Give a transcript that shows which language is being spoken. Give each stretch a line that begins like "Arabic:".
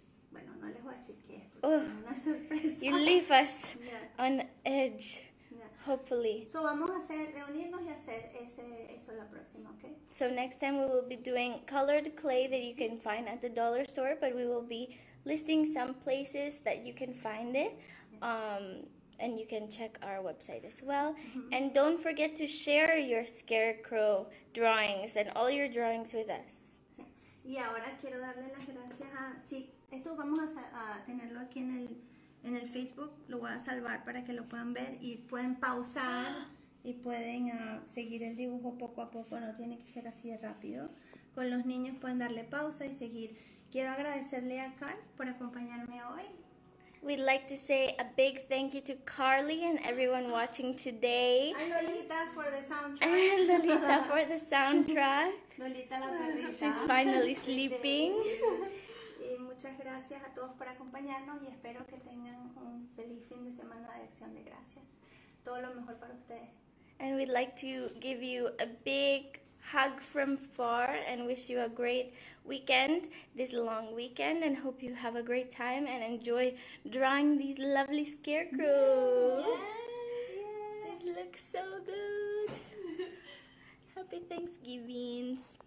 Spanish: bueno, no les voy a decir qué es, porque es una sorpresa.
English: You leave us on edge, hopefully.
Spanish: So vamos a hacer, reunirnos y hacer eso la próxima, ¿ok?
English: So next time we will be doing colored clay that you can find at the dollar store, but we will be... listing some places that you can find it, and you can check our website as well. Mm-hmm. And don't forget to share your scarecrow drawings and all your drawings with us.
Spanish: Y ahora quiero darle las gracias a... Sí, esto vamos a tenerlo aquí en el Facebook. Lo voy a salvar para que lo puedan ver y pueden pausar y pueden seguir el dibujo poco a poco. No tiene que ser así de rápido. Con los niños pueden darle pausa y seguir. Quiero agradecerle a Carl por acompañarme hoy.
English: We'd like to say a big thank you to Carly and everyone watching today. And Lolita for the soundtrack. And Lolita for the soundtrack.
Spanish: Lolita la perrita.
English: She's finally sleeping.
Spanish: Y muchas gracias a todos por acompañarnos y espero que tengan un feliz fin de semana de Acción de Gracias. Todo lo mejor para ustedes.
English: And we'd like to give you a big hug from far and wish you a great weekend, this long weekend, and hope you have a great time and enjoy drawing these lovely scarecrows. Yes. It looks so good. Happy Thanksgiving.